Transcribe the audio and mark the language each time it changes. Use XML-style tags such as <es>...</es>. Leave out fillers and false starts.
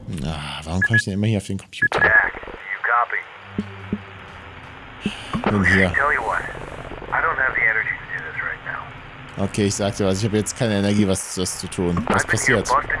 <de>Na, warum komme ich denn immer hier auf den Computer?</de> <en>Jack, you copy?</en> <de>Bin hier.</de> <en>I tell you what. I don't have the energy to do this right now.</en> <de>Okay, ich sag dir was. Ich habe jetzt keine Energie, was zu tun. Was passiert?</de>